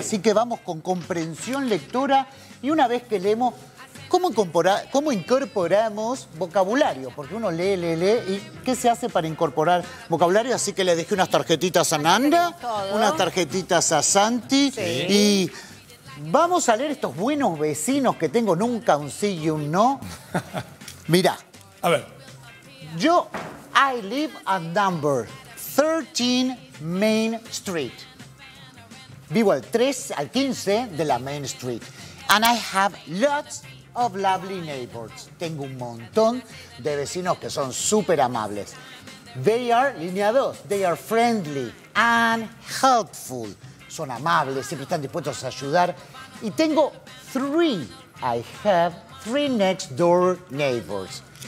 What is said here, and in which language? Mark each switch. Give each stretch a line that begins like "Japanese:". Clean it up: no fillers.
Spanish: Así que vamos con comprensión lectora y una vez que leemos, ¿cómo incorporamos vocabulario? Porque uno lee, lee, lee. ¿Y qué se hace para incorporar vocabulario? Así que le dejé unas tarjetitas a Nanda, unas tarjetitas a Santi. ¿Sí? Y vamos a leer estos buenos vecinos que tengo, nunca un sí y un no. Mirá. A ver.
English: Yo, I live at number 13 Main Street.
Spanish: Vivo al 3, al 15 de la Main Street.
English: And I have lots of lovely neighbors.
Spanish: Tengo un montón de vecinos que son súper amables.
English: They are,
Spanish: línea 2,
English: they are friendly and helpful.
Spanish: Son amables, siempre están dispuestos a ayudar. Y tengo
English: three, I have three next door neighbors.